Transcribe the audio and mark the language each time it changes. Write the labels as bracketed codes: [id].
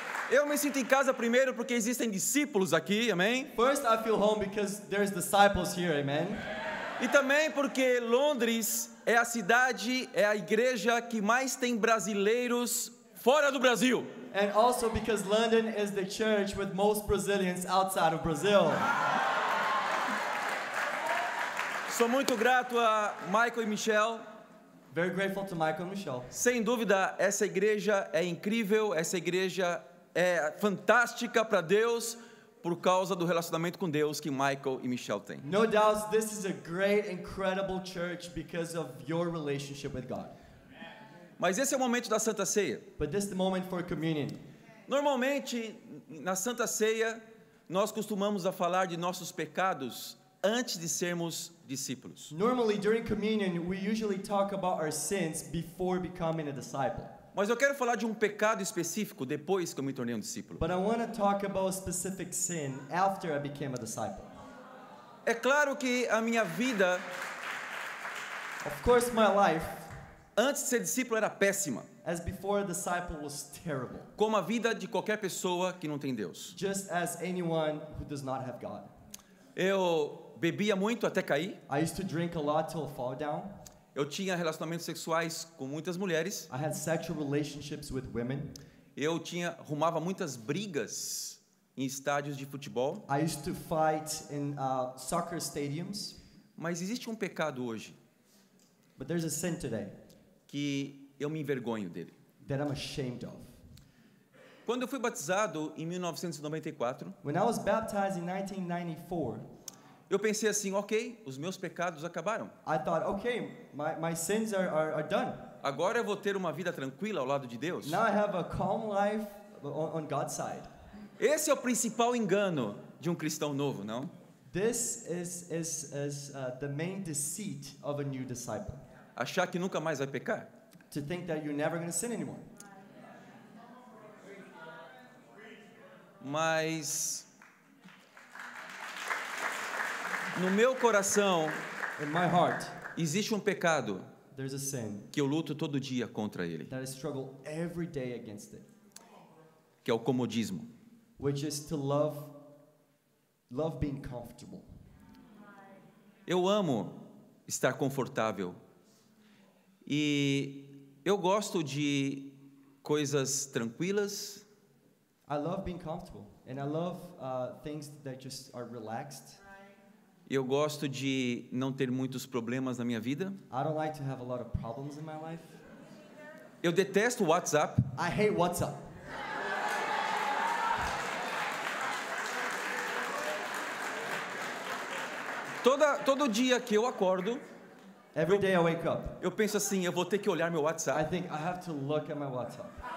[pt] Eu me sinto em casa primeiro porque existem discípulos aqui, amém? [en] First I feel home because there's disciples here, amen. [pt] E também porque Londres é a cidade, é a igreja que mais tem brasileiros fora do Brasil. [en] And also because London is the church with most Brazilians outside of Brazil. [pt] Sou muito grato a Michael e Michelle. [en] Very grateful to Michael and Michelle. [pt] Sem dúvida, essa igreja é incrível, essa igreja é fantástica para Deus. Por causa do relacionamento com Deus que Michael e Michelle têm. [en] No doubt, this is a great, incredible church because of your relationship with God. [pt] Mas esse é o momento da Santa Ceia. [en] But this is the moment for communion. [pt] Normalmente, na Santa Ceia, nós costumamos a falar de nossos pecados antes de sermos discípulos. [en] Normally, during communion, we usually talk about our sins before becoming a disciple. [pt] Mas eu quero falar de um pecado específico depois que eu me tornei um discípulo. [en] But I want to talk about a specific sin after I became a disciple. [pt] É claro que a minha vida, [en] of course my life, [pt] antes de ser discípulo era péssima. [en] As before a disciple was terrible. [pt] Como a vida de qualquer pessoa que não tem Deus. [en] Just as anyone who does not have God. [pt] Eu bebia muito até cair. [en] I used to drink a lot till I fall down. [pt] Eu tinha relacionamentos sexuais com muitas mulheres. [en] I had sexual relationships with women. [pt] Eu tinha arrumava muitas brigas em estádios de futebol. [en] I used to fight in soccer stadiums. [pt] Mas existe um pecado hoje. [en] But there's a sin today. [pt] Que eu me envergonho dele. [en] That I'm ashamed of. [pt] Quando eu fui batizado em 1994. [en] When I was baptized in 1994. [pt] Eu pensei assim, ok, os meus pecados acabaram. [en] I thought, okay, my sins are done. [pt] Agora eu vou ter uma vida tranquila ao lado de Deus. [en] Now I have a calm life on God's side. [pt] Esse é o principal engano de um cristão novo, não? [en] This is the main deceit of a new disciple. [pt] Achar que nunca mais vai pecar. [en] To think that you're never going to sin anymore. [pt] Mas no meu coração, [en] in my heart, [pt] existe um pecado [en] a sin [pt] que eu luto todo dia contra ele. [en] That I struggle every day against it, [pt] que é o comodismo. [en] Which is to love being comfortable. [pt] Eu amo estar confortável. E eu gosto de coisas tranquilas. [en] I love being comfortable and I love things that just are relaxed. [pt] Eu gosto de não ter muitos problemas na minha vida. [en] I don't like to have a lot of problems in my life. [pt] Eu detesto WhatsApp. [en] I hate WhatsApp. [pt] Todo dia que eu acordo, [en] every day I wake up, [pt] eu penso assim, eu vou ter que olhar meu WhatsApp. [en] I think I have to look at my WhatsApp.